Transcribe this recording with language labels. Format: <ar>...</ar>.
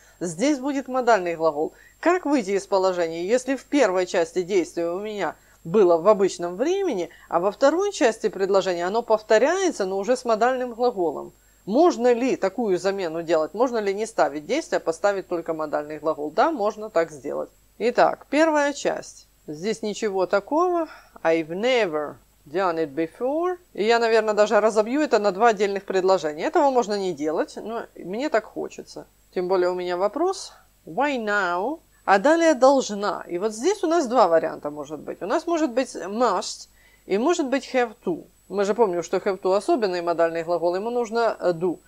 <ru>Здесь будет модальный глагол. Как выйти из положения, если в первой части действия у меня было в обычном времени, а во второй части предложения оно повторяется, но уже с модальным глаголом. Можно ли такую замену делать? Можно ли не ставить действие, а поставить только модальный глагол? Да, можно так сделать. Итак, первая часть. Здесь ничего такого.</ru> <en>I've never done it before.</en> <ru>И я, наверное, даже разобью это на два отдельных предложения. Этого можно не делать, но мне так хочется. Тем более у меня вопрос.</ru> <en>Why now?</en> <ru>А далее должна. И вот здесь у нас два варианта может быть. У нас может быть must и может быть have to. Мы же помним, что have to особенный модальный глагол, ему нужно do.</ru>